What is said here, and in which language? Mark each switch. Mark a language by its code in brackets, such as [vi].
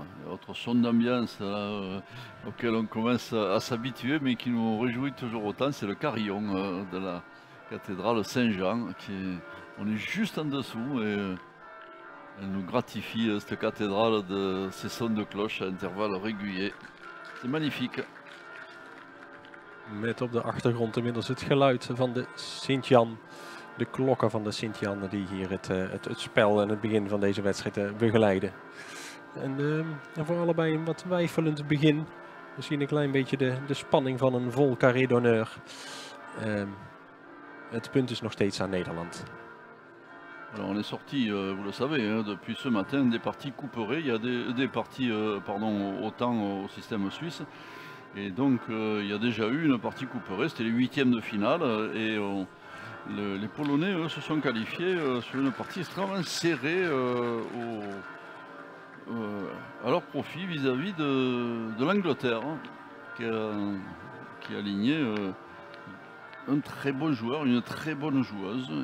[fr] Autre son d'ambiance là, auquel on commence à s'habituer mais qui nous réjouit toujours autant, c'est le carillon de la cathédrale Saint-Jean. On est juste en dessous et elle nous gratifie, cette cathédrale, de ses sons de cloche à intervalles réguliers. C'est magnifique. [nl] Met op de achtergrond inmiddels het geluid van de Sint-Jan. De klokken van de Sint-Jan die hier het spel en het begin van deze wedstrijd begeleiden. En voor allebei een wat twijfelend begin. We zien een klein beetje de spanning van een vol carré d'honneur. Het punt is nog steeds aan Nederland. [fr] Alors on est sorti, vous le savez, hein, depuis ce matin, des parties couperées. Il y a des parties au système suisse. Et donc il y a déjà eu une partie couperée. C'était les huitièmes de finale. Et les Polonais se sont qualifiés sur une partie extrêmement serrée à leur profit vis-à-vis de l'Angleterre, hein, qui a aligné un très bon joueur, une très bonne joueuse.